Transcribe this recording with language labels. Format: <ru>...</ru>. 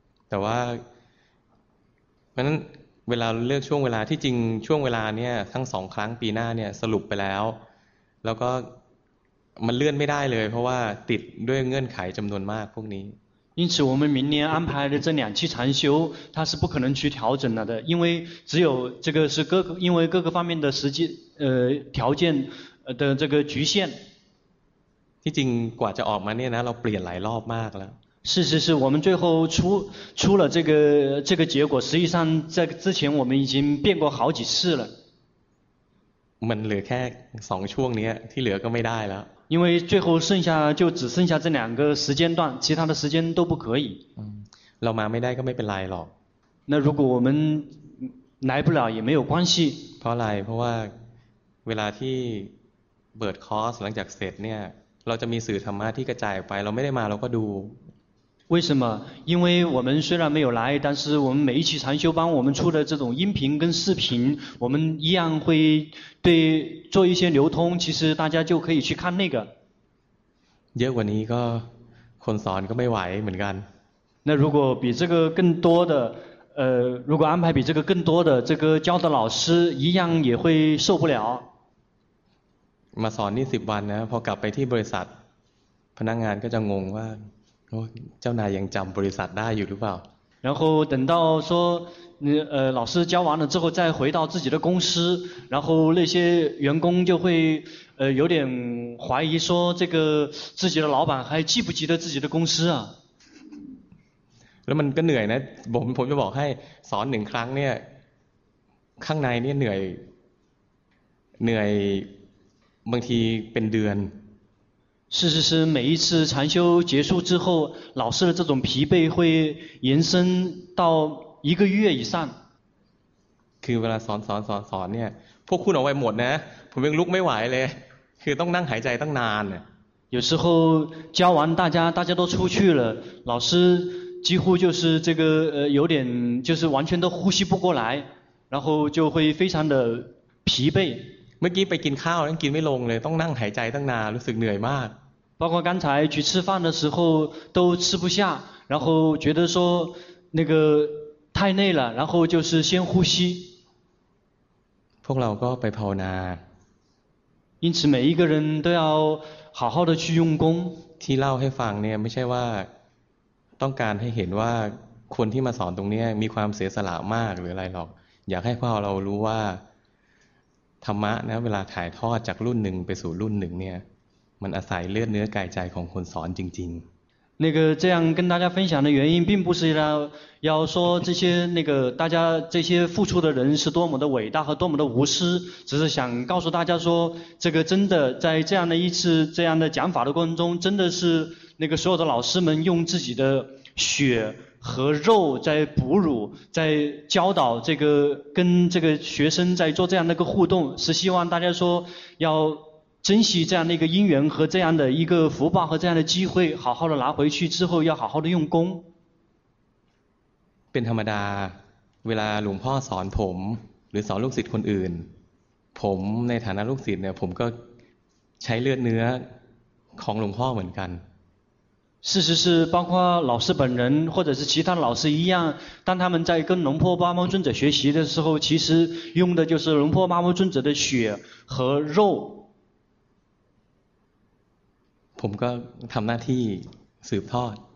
<th>แต่ว่าเพราะนั้นเวลาเลือกช่วงเวลาที่จริงช่วงเวลาเนี่ยทั้งสองครั้งปีหน้าเนี่ยสรุปไปแล้วแล้วก็มันเลื่อนไม่ได้เลยเพราะว่าติดด้วยเงื่อนไขจำนวนมากพวกนี้</th> <zh>因此我们明年安排的这两期禅修它是不可能去调整了的因为只有这个是各因为各个方面的实际条件的这个局限</zh> <th>ที่จริงกว่าจะออกมาเนี่ยนะเราเปลี่ยนหลายรอบมากแล้ว</th> <zh>是是是我们最后出了这个结果实际上在之前我们已经变过好几次了</zh> <th>มันเหลือแค่2ช่วงนี้ที่เหลือก็ไม่ได้แล้ว</th> <zh>因为最后剩下就只剩下这两个时间段其他的时间都不可以</zh> <th>เรามาไม่ได้ก็ไม่เป็นไรหรอก</th> <zh>那如果我们来不了也没有关系</zh> <th>เพราะอะไรเพราะว่าเวลาที่เปิดคอร์สหลังจากเสร็จเนี่ยเราจะมีสื่อธรรมะที่กระจายไปเราไม่ได้มาเราก็ดู</th> <zh>为什么因为我们虽然没有来但是我们每一期禅修班我们出的这种音频跟视频我们一样会对做一些流通其实大家就可以去看那个结果你一个困扰你个没歪没干那如果比这个更多的如果安排比这个更多的这个教的老师一样也会受不了</zh> <th>มาสอนนี่สิบวันนะพอกลับไปที่บริษัทพนักงานก็จะงงว่าเจ้านายยังจำบริษัทได้อยู่หรือเปล่า</th> <zh>然后等到说老师教完了之后再回到自己的公司然后那些员工就会有点怀疑说这个自己的老板还记不记得自己的公司啊</zh> <th>แล้วมันก็เหนื่อยนะผมจะบอกให้สอนหนึ่งครั้งเนี่ยข้างในเนี่ยเหนื่อยบางทีเป็นเดือน</th> <zh>是是是每一次禅修结束之后老师的这种疲惫会延伸到一个月以上</zh> <th>คือเวลาสอนเนี่ยพวกคุณเอาไว้หมดนะผมยังลุกไม่ไหวเลยคือต้องนั่งหายใจตั้งนานเนี่</th> <zh>ย有时候教完大家都出去了老师几乎就是这个有点就是完全都呼吸不过来然后就会非常的疲惫</zh> <th>เมื่อกี้ไปกินข้าวยังกินไม่ลงเลยต้องนั่งหายใจตั้งนานรู้สึกเหนื่อยมาก</th> <zh>包括刚才去吃饭的时候都吃不下然后觉得说那个太累了然后就是先呼吸</zh> <th>พวกเราก็ไปภาวนา</th> <zh>因此每一个人都要好好的去用功</zh> <th>ที่เล่าให้ฟังเนี่ยไม่ใช่ว่าต้องการให้เห็นว่าคนที่มาสอนตรงนี้มีความเสียสละมากหรืออะไรหรอกอยากให้พวกเรารู้ว่าธรรมะนะเวลาถ่ายทอดจากรุ่นหนึ่งไปสู่รุ่นหนึ่งเนี่ยมันอาศัยเลือดเนื้อกายใจของคนสอนจริง</th> <zh>ๆ那个这样跟大家分享的原因并不是要说这些那个大家这些付出的人是多么的伟大和多么的无私只是想告诉大家说这个真的在这样的一次这样的讲法的过程中真的是那个所有的老师们用自己的血和肉在哺乳在教导这个跟这个学生在做这样的一个互动是希望大家说要珍惜这样的一个因缘和这样的一个福报和这样的机会好好的拿回去之后要好好的用功</zh> <th>เป็นธรรมดาเวลาหลวงพ่อสอนผมหรือสอนลูกศิษย์คนอื่นผมในฐานะลูกศิษย์เนี่ยผมก็ใช้เลือดเนื้อของหลวงพ่อเหมือนกัน</th> <zh>事实是包括老师本人或者是其他老师一样当他们在跟龙婆巴摩尊者学习的时候其实用的就是龙婆巴摩尊者的血和肉</zh> <th>ผมก็ทำหน้าที่สืบทอด</th>